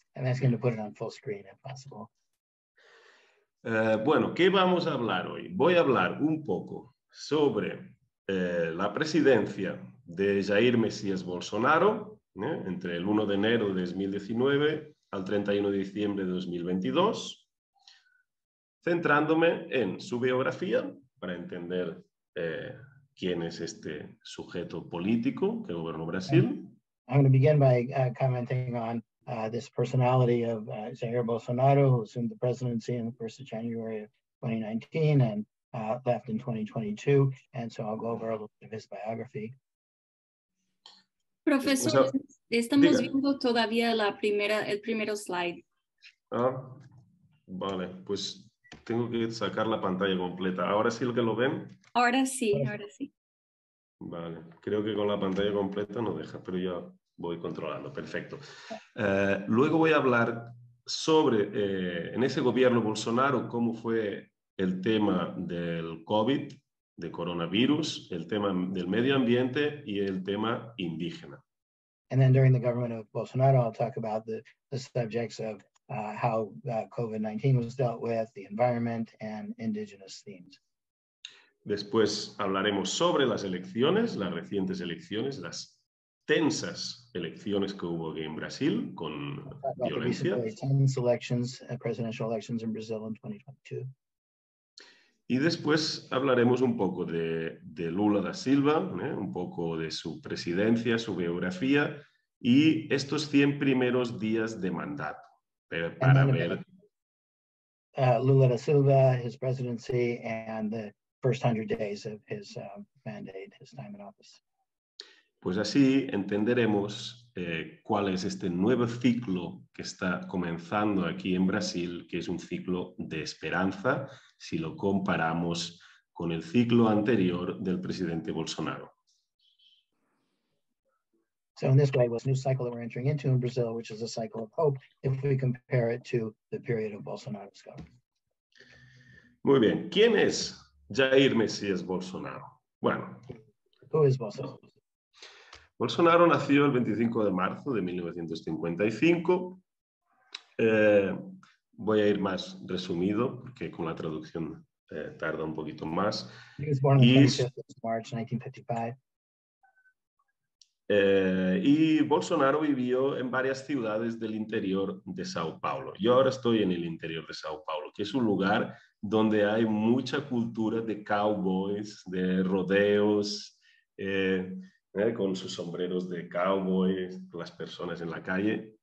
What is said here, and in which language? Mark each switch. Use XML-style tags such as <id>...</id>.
<en>I'm asking to put it on full screen, if possible.</en> <es>Bueno, ¿qué vamos a hablar hoy? Voy a hablar un poco sobre la presidencia de Jair Messias Bolsonaro, entre el 1 de enero de 2019 al 31 de diciembre de 2022, centrándome en su biografía para entender quién es este sujeto político que gobernó Brasil.</es> <en>I'm going to begin by commenting on this personality of Jair Bolsonaro, who assumed the presidency on the 1st of January of 2019 and left in 2022. And so I'll go over a little bit of his biography.</en> <es>Profesor, estamos viendo todavía la primera, el primero slide. Ah, vale, pues tengo que sacar la pantalla completa. ¿Ahora sí lo que lo ven? Ahora sí, ahora sí. Vale, creo que con la pantalla completa no deja, pero ya voy controlando, perfecto. Luego voy a hablar sobre, en ese gobierno Bolsonaro, cómo fue el tema del COVID, de coronavirus, el tema del medio ambiente y el tema indígena.</es> <en>And then during the government of Bolsonaro, I'll talk about the subjects of how COVID-19 was dealt with, the environment and indigenous themes.</en> <es>Después hablaremos sobre las elecciones, las recientes elecciones, las tensas elecciones que hubo aquí en Brasil con violencia.</es> <en>Tense elections, presidential elections in Brazil in 2022.</en> <es>Y después hablaremos un poco de Lula da Silva, un poco de su presidencia, su biografía y estos 100 primeros días de mandato. Para ver.</es> <en>Lula da Silva, his presidency, and the first 100 days of his mandate, his time in office.</en> <es>Pues así entenderemos cuál es este nuevo ciclo que está comenzando aquí en Brasil, que es un ciclo de esperanza, si lo comparamos con el ciclo anterior del presidente Bolsonaro.</es> <en>So in this way, it was a new cycle that we're entering into in Brazil, which is a cycle of hope if we compare it to the period of Bolsonaro's government.</en> <es>Muy bien. ¿Quién es Jair Messias Bolsonaro? Bueno.</es> <en>Who is Bolsonaro?</en> <es>Bolsonaro nació el 25 de marzo de 1955. Voy a ir más resumido, porque con la traducción tarda un poquito más.</es> <en>He was born on the 25th of March, 1955.</en> <es>Y Bolsonaro vivió en varias ciudades del interior de Sao Paulo. Yo ahora estoy en el interior de Sao Paulo, que es un lugar donde hay mucha cultura de cowboys, de rodeos, con sus sombreros de cowboy, las personas en la calle.</es>